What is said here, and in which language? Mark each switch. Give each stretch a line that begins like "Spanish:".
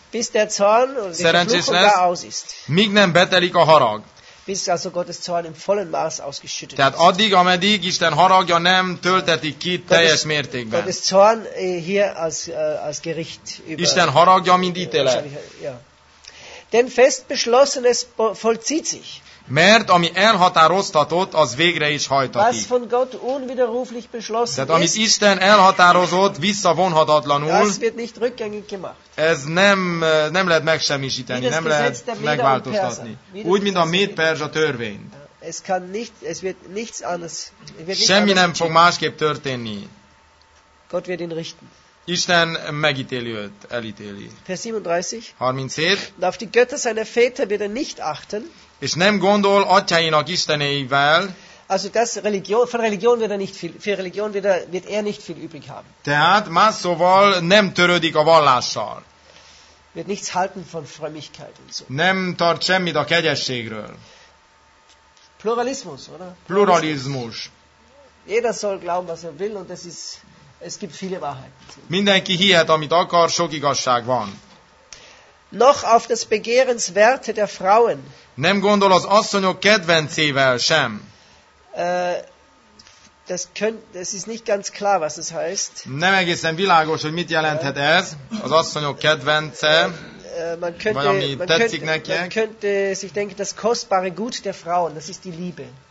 German: bis der Zorn oder der Fluch da aus ist.
Hungarian: Míg nem betelik a harag.
German: Bis also Gottes Zorn im vollen Maß ausgeschüttet ist.
Hungarian: Tehát addig, ameddig Isten haragja nem tölteti ki teljes mértékben.
German: Gottes Zorn hier als Gericht über
Hungarian: Isten haragja, mint ítélet.
German: Ja. Denn fest beschlossenes vollzieht sich.
Hungarian: Mert ami elhatároztatott, az végre is hajtatik.
German: Was von Gott unwiderruflich beschlossen ist,
Hungarian: amit Isten elhatározott, visszavonhatatlanul.
German: Das wird nicht rückgängig gemacht.
Hungarian: Ez nem lehet megsemmisíteni, nem lehet megváltoztatni. Úgy, mint a méd-perzsa törvény.
German: Es kann nicht, es wird nichts anderes.
Hungarian: Semmi nem fog másképp történni.
German: Gott wird ihn richten.
Hungarian: Isten megítéli őt, elítéli.
German: Vers 37. 37. Und auf die Götter seiner Väter wird er nicht achten.
Hungarian: És nem gondol atyáinak isteneivel.
German: Also das Religion, von Religion wird er nicht viel, für Religion wird er, nicht viel übrig haben.
Hungarian: Tehát más szóval nem törődik a vallással.
German: Wird nichts halten von Frömmigkeit und so.
Hungarian: Nem tart semmit a kegyességről.
German: Pluralismus, oder? Pluralismus. Jeder soll glauben, was er will, und das ist, es gibt viele Wahrheiten.
Hungarian: Mindenki hihet, amit akar, sok igazság van.
German: Noch auf das Begehrenswerte der Frauen.
Hungarian: Nem gondol az asszonyok kedvencével sem.
German: Das ist nicht ganz klar, was das heißt.
Hungarian: Nem egészen világos, hogy mit jelenthet ez, az asszonyok kedvence.
German: Man könnte sich denken, das kostbare Gut der Frauen, das ist die Liebe.